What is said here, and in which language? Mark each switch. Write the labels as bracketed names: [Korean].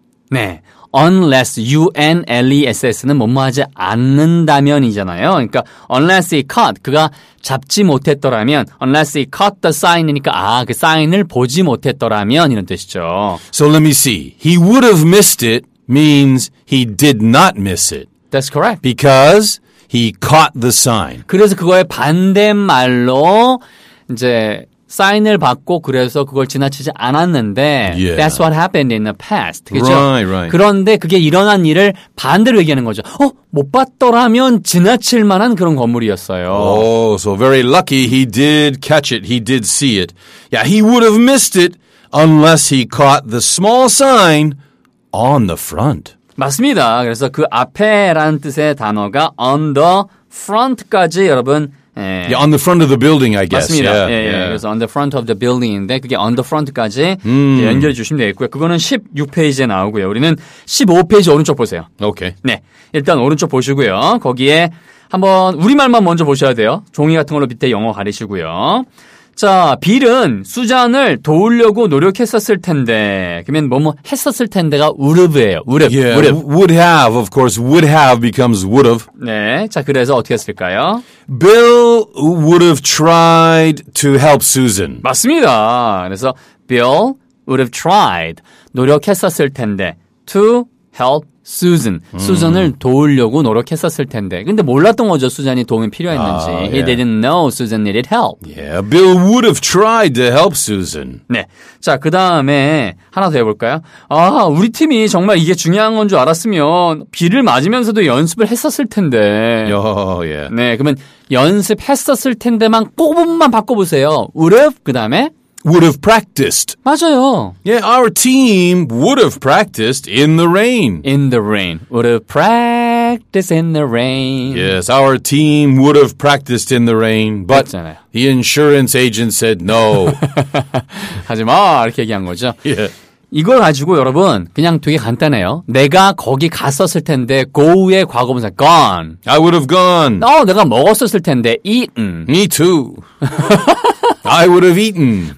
[Korean] 네. Unless, U-N-L-E-S-S는 뭐뭐하지 않는다면이잖아요. 그러니까 [English] unless he caught, [Korean] 그가 잡지 못했더라면 [English] unless he caught the sign [Korean] 이니까 아, 그 sign을 보지 못했더라면 이런 뜻이죠. [English] So let me see. He would have missed it means he did not miss it. That's correct. Because he caught the sign. [Korean] 그래서 그거의 반대말로 이제 사인을 받고 그래서 그걸 지나치지 않았는데 [English] yeah. That's what happened in the past. [Korean] 그렇죠? [English] Right, right. [Korean] 그런데 그게 일어난 일을 반대로 얘기하는 거죠. 어? 못 봤더라면 지나칠 만한 그런 건물이었어요. [English] Oh, so very lucky he did catch it. He did see it. Yeah, he would have missed it unless he caught the small sign on the front. [Korean] 맞습니다. 그래서 그 앞에라는 뜻의 단어가 [English] on the front [Korean] 까지 여러분 [English] Yeah, on the front of the building, I guess. [Korean] 맞습니다. [English] yeah, yeah. yeah. [Korean] 그래서 [English] on the front of the building [Korean] 인데 그게 [English] on the front [Korean] 까지 연결해 주시면 되겠고요. 그거는 16페이지에 나오고요. 우리는 15페이지 오른쪽 보세요. [English] 오케이. Okay. [Korean] 네, 일단 오른쪽 보시고요. 거기에 한번 우리말만 먼저 보셔야 돼요. 종이 같은 걸로 밑에 영어 가리시고요. 자, 빌은 수잔을 도우려고 노력했었을 텐데. 그러면 뭐뭐 했었을 텐데가 would've예요. [English] Would've. Yeah, would've. Would have, of course. Would have becomes would've. [Korean] 네. 자, 그래서 어떻게 했을까요? [English] Bill would've tried to help Susan. [Korean] 맞습니다. 그래서 [English] Bill would've tried. [Korean] 노력했었을 텐데. [English] To help Susan. [Korean] 수잔을 도우려고 노력했었을 텐데. 근데 몰랐던 거죠. 수잔이 도움이 필요했는지. [English] Yeah. He didn't know Susan needed help. Yeah, Bill would have tried to help Susan. [Korean] 네. 자, 그 다음에 하나 더 해볼까요? 아, 우리 팀이 정말 이게 중요한 건 줄 알았으면 비를 맞으면서도 연습을 했었을 텐데. [English] Yeah. [Korean] 네, 그러면 연습했었을 텐데만 꼬분만 바꿔보세요. [English] Would have, [Korean] 그 다음에 [English] would have practiced. [Korean] 맞아요. [English] Yeah, our team would have practiced in the rain. In the rain. Would have practiced in the rain. Yes, our team would have practiced in the rain. But [Korean] 그렇잖아요. [English] the insurance agent said no. [Korean] 하지 마, 이렇게 얘기한 거죠. [English] Yeah. [Korean] 이걸 가지고 여러분 그냥 되게 간단해요. 내가 거기 갔었을 텐데 go의 과거분사 gone. [English] I would have gone. [Korean] 어, 내가 먹었었을 텐데 eaten. [English] Me too. I would have eaten.